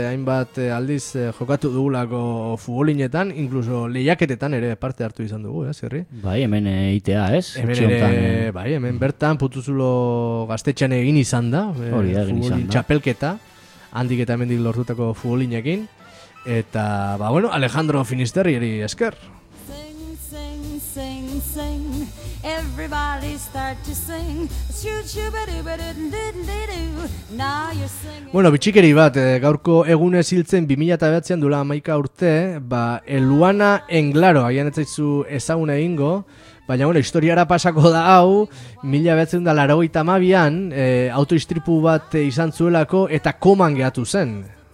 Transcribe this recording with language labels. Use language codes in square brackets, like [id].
[eu] Hainbat aldiz jokatu dugulako futbolinetan, incluso lehiaketetan ere parte hartu izan dugu, ez, herri? Bai, hemen ITA, ez? Hemen bertan Putzulo gaztetxean egin izan da, futbolin txapelketa, handik eta hemendik lortutako futbolinekin, eta, Alejandro Finisterri esker. [en] Everybody start to sing. Shoot, shoot, badoo, badoo, didn't they do? Now you're singing. [eu] Bueno, bitxikeri bat, gaurko egunez hiltzen 2009an duela 11 urte, Eluana Englaro, agian ez zaizu ezaguna egingo, baina bueno, historiara pasako da hau, 1982an autoistripu bat izan zuelako eta koman gehatu zen.